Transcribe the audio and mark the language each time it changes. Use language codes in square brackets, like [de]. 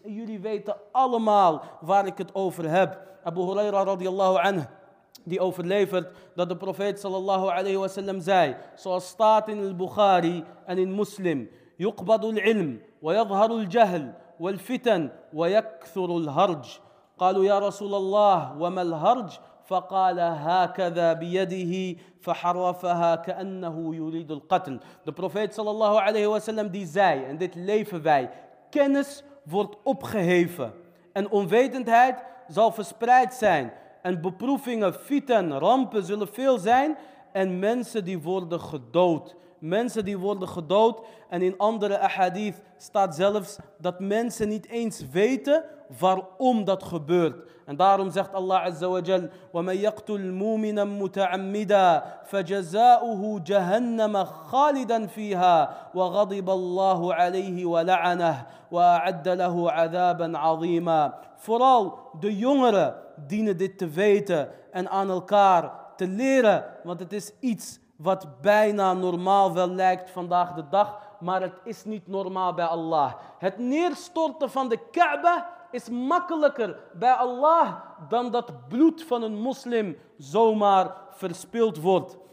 [nl] En jullie weten allemaal waar ik het over heb. Abu Huraira radiyallahu anhu, die overlevert dat de profeet sallallahu alayhi wa sallam zei, zoals staat in al-Bukhari en in Muslim, [ar] يقبض العلم ويظهر الجهل والفتن ويكثر الهرج. قالوا يا رسول الله وما الهرج؟ فقال هكذا بيده فحرفها كأنه يريد القتل. [nl] De profeet sallallahu alayhi wa sallam die zei, en dit leven wij, kennis wordt opgeheven en onwetendheid zal verspreid zijn en beproevingen, fitan, rampen zullen veel zijn en mensen die worden gedood. Mensen die worden gedood en in andere ahadith staat zelfs dat mensen niet eens weten waarom dat gebeurt. En daarom zegt Allah Azza wa Jal, [ar] وَمَنْ يَقْتُلْ مُؤْمِنًا مُتَعَمِّدًا فَجَزَاؤُهُ جَهَنَّمَ خَالِدًا فِيهَا وَغَضِبَ اللَّهُ عَلَيْهِ وَلَعَنَهُ وَأَعَدَّ لَهُ عَذَابًا عَظِيمًا. [nl] Vooral de jongeren dienen dit te weten en aan elkaar te leren, want het is iets wat bijna normaal wel lijkt vandaag de dag, maar het is niet normaal bij Allah. Het neerstorten van de Kaaba is makkelijker bij Allah dan dat bloed van een moslim zomaar verspild wordt.